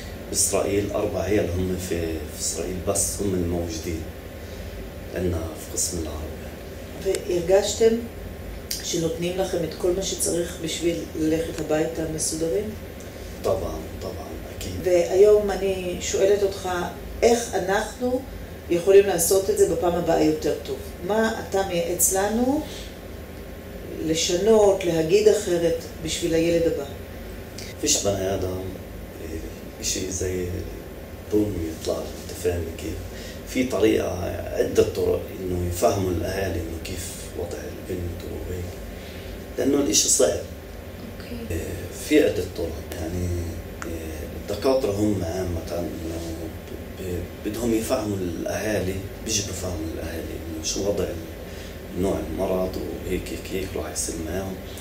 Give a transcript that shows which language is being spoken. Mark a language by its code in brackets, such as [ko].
[ar] بإسرائيل أربع عيال هم في إسرائيل بس هم الموجودين عندنا في قسم العربي. [he] והרגשתם שנותנים לכם את כל מה שצריך בשביל ללכת הביתה מסודרים? [ar] طبعا طبعا أكيد. [he] והיום אני שואלת אותך איך אנחנו יכולים לעשות את זה בפעם הבאה יותר טוב. מה אתה מייעץ לנו לשנות, להגיד אחרת בשביל הילד הבא? [ar] فيش بني آدم شيء زي طول يطلع تفهم كيف في طريقة عدة طرق إنه يفهموا الأهالي إنه كيف وضع البنت وهيك لأنه الإشي صعب. أوكي. في عدة طرق يعني الدكاترة هم عامة إنه بدهم يفهموا الأهالي بيجي بفهموا الأهالي إنه شو وضع نوع المرض وهيك كيف راح يصير معهم.